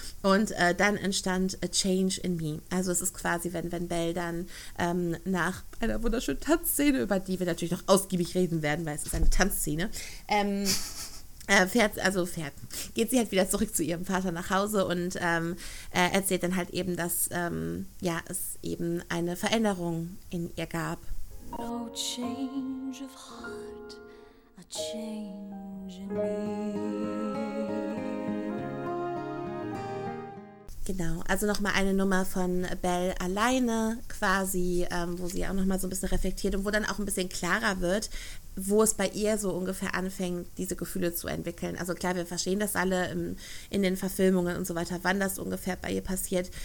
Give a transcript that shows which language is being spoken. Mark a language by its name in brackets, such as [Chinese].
[German] Und dann entstand A Change in Me. Also es ist quasi, wenn Belle dann nach einer wunderschönen Tanzszene, über die wir natürlich noch ausgiebig reden werden, weil es ist eine Tanzszene, geht sie halt wieder zurück zu ihrem Vater nach Hause und erzählt dann halt eben, dass ja, es eben eine Veränderung in ihr gab. [English] No change of heart, a change in me. [German] Genau, also nochmal eine Nummer von Belle alleine quasi, wo sie auch nochmal so ein bisschen reflektiert und wo dann auch ein bisschen klarer wird, wo es bei ihr so ungefähr anfängt, diese Gefühle zu entwickeln. Also klar, wir verstehen das alle in den Verfilmungen und so weiter, wann das ungefähr bei ihr passiert.